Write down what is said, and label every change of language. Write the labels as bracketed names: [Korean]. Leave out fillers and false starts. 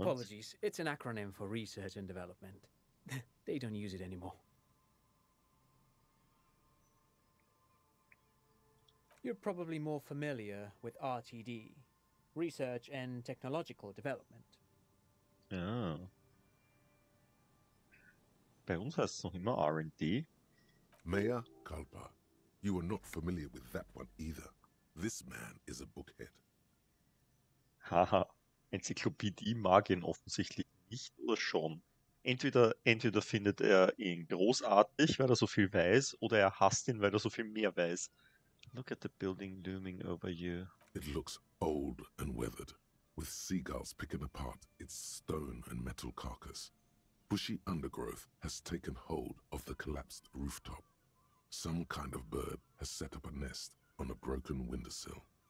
[English] Apologies, it's an acronym for research and development. They don't use it anymore. You're probably more familiar with RTD, Research and Technological Development. Ah. [German] Bei uns heißt es noch immer R&D. [Latin] Mea culpa. [English] You are not familiar with that one either. This man is a bookhead. [German] Haha, Enzyklopädie mag ihn offensichtlich nicht oder schon. Entweder findet er ihn großartig, weil er so viel weiß, oder er hasst ihn, weil er so viel mehr weiß. [English] Look at the building looming over you. It looks old and weathered, with seagulls picking apart its stone and metal carcass. Bushy undergrowth has taken hold of the collapsed rooftop. Some kind of bird has set up a nest on a broken windowsill.